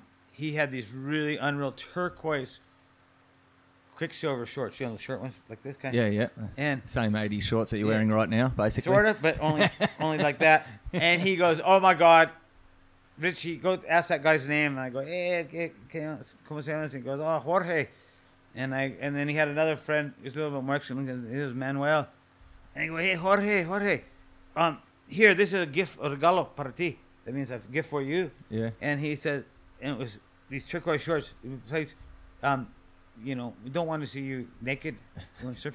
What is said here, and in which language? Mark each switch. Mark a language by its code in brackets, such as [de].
[en] He had these really unreal turquoise Quicksilver shorts. You know, the short ones like this kind? Yeah, yeah. And same 80s shorts that you're wearing right now, basically. Sort of, but only like that. And he goes, oh my God, Richie, go ask that guy's name. And I go, hey, [es] ¿cómo se llama? [en] And he goes, oh, Jorge. And then he had another friend who's a little bit more Mexican. He was Manuel. And he goes, hey, Jorge. Here, this is a gift, a [es] regalo para ti. [en] That means a gift for you. Yeah. And he said, and it was these turquoise shorts. It was, you know, we don't want to see you naked when surfing.